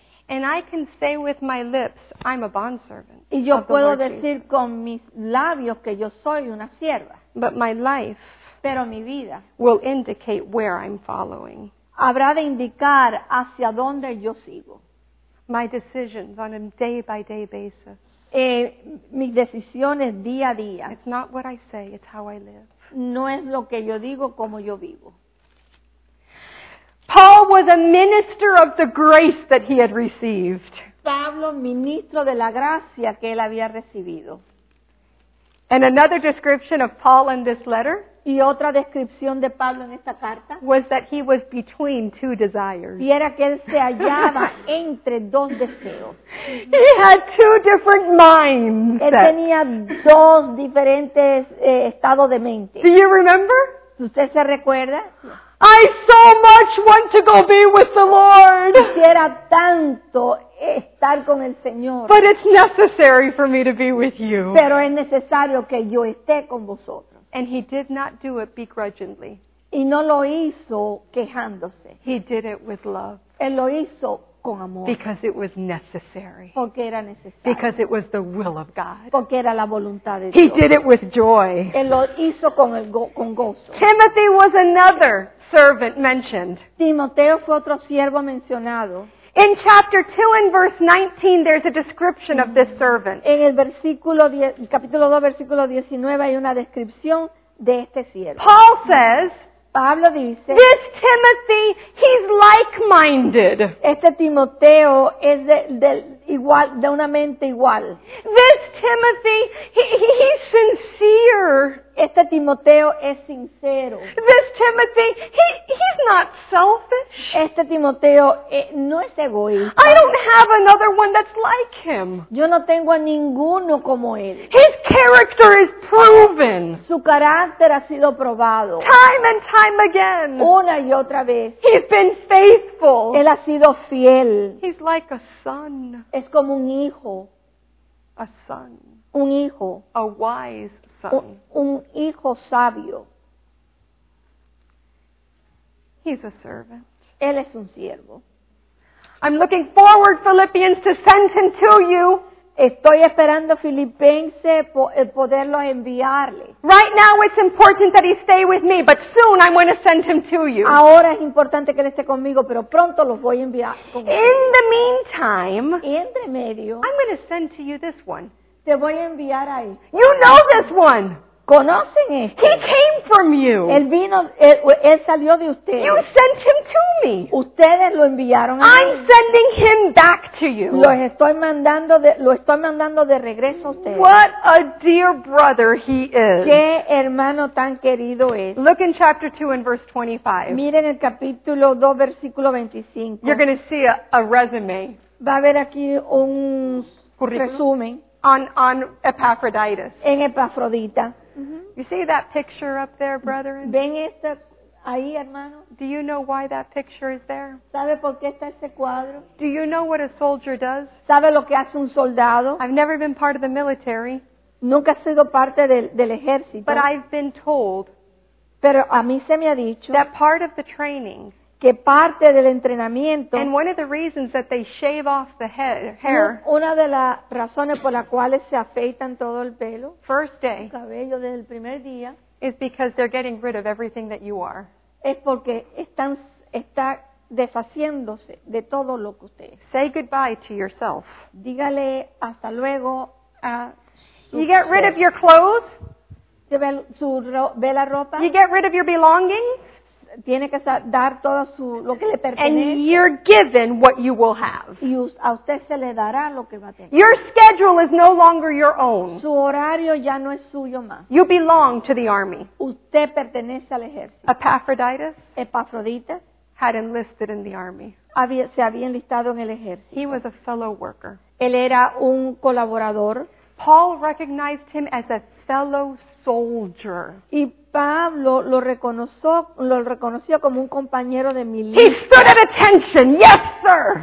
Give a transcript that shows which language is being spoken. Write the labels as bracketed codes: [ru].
[en] And I can say with my lips, I'm a bondservant. [es] Y yo puedo decir con mis labios que yo soy una sierva. [en] But my life, [es] pero mi vida, [en] will indicate where I'm following. [es] Habrá de indicar hacia dónde yo sigo. [en] My decisions on a day-by-day basis. [es] Mis decisiones día a día. [en] It's not what I say, it's how I live. [es] No es lo que yo digo, como yo vivo. [en] Paul was a minister of the grace that he had received. [es] Pablo, ministro de la gracia que él había recibido. [en] And another description of Paul in this letter, [es] y otra descripción de Pablo en esta carta, [en] was that he was between two desires. [es] Y era que él se hallaba entre dos deseos. [en] He had two different minds. [es] Él tenía dos diferentes estados de mente. [en] Do you remember? [es] ¿Usted se recuerda? [en] I so much want to go be with the Lord. [es] Quisiera tanto estar con el Señor. [en] But it's necessary for me to be with you. [es] Pero es necesario que yo esté con vosotros. [en] And he did not do it begrudgingly. [es] Y no lo hizo quejándose. [en] He did it with love. [es] Él lo hizo con amor. [en] Because it was necessary. [es] Porque era necesario. [en] Because it was the will of God. [es] Porque era la voluntad de Dios. [en] He did it with joy. [es] Él lo hizo con gozo. [en] Timothy was another servant mentioned. [es] Timoteo fue otro siervo mencionado. [en] In chapter 2 and verse 19, there's a description of this servant. [es] En el versículo 10, capítulo 2, versículo 19, hay una descripción de este siervo. [en] Paul says, [es] Pablo dice, [en] this Timothy, he's like-minded. [es] Este Timoteo es igual, de una mente igual. [en] This Timothy, he's sincere. [es] Este Timoteo es sincero. [en] This Timothy, he's not selfish. [es] Este Timoteo no es egoísta. [en] I don't have another one that's like him. [es] Yo no tengo a ninguno como él. [en] His character is proven. [es] Su carácter ha sido probado. [en] Time and time again. [es] Una y otra vez. [en] He's been faithful. [es] Él ha sido fiel. [en] He's like a son. [es] Es como un hijo. [en] A son. [es] Un hijo. [en] A wise son. [es] Un hijo sabio. [en] He's a servant. [es] Él es un siervo. [en] I'm looking forward, Philippians, to send him to you. [es] Estoy esperando Filipense poderlo enviarle. [en] Right now it's important that he stay with me, but soon I'm going to send him to you. [es] Ahora es importante que él esté conmigo, pero pronto los voy a enviar. [en] In the meantime, [es] entre medio, [en] I'm going to send to you this one. [es] Te voy a enviar a él. [en] You know this one. [es] ¿Conocen este? [en] He came from you. [es] Él vino, él salió de ustedes. [en] You sent him to me. [es] Ustedes lo enviaron a [en] I'm sending him back to you. [es] Lo estoy mandando de regreso a ustedes. [en] What a dear brother he is. [es] Qué hermano tan querido es. [en] Look in chapter 2 and verse 25. [es] Miren el capítulo 2, versículo 25. [en] You're going to see a resume. [es] Va a haber aquí un resumen. [en] On Epaphroditus. [es] En Epafrodita. [en] You see that picture up there, brethren? [es] ¿Ven esta ahí, hermano? [en] Do you know why that picture is there? [es] ¿Sabe por qué está ese cuadro? [en] Do you know what a soldier does? [es] ¿Sabe lo que hace un soldado? [en] I've never been part of the military. [es] Nunca he sido parte del ejército. [en] But I've been told. [es] Pero a mí se me ha dicho. [en] That part of the training. [es] Que parte del entrenamiento. [en] And one of the reasons that they shave off the head, hair. [es] Una de las razones por las cuales se afeitan todo el pelo. [en] First day. [es] El cabello desde el primer día. [en] Is because they're getting rid of everything that you are. [es] Es porque está deshaciéndose de todo lo que usted es. [en] Say goodbye to yourself. [es] Dígale hasta luego a [en] You get rid of your clothes. [es] Ve la ropa. [en] You get rid of your belongings. [es] Tiene que dar todo lo que le pertenece. [en] And you're given what you will have. [es] Y a usted se le dará lo que va a tener. [en] Your schedule is no longer your own. [es] Su horario ya no es suyo más. [en] You belong to the army. [es] Usted pertenece al ejército. [en] Epaphroditus had enlisted in the army. [es] Se había enlistado en el ejército. [en] He was a fellow worker. [es] Él era un colaborador. [en] Paul recognized him as a fellow soldier. [es] Y Pablo lo reconoció como un compañero de milicia. [en] He stood at attention, yes sir.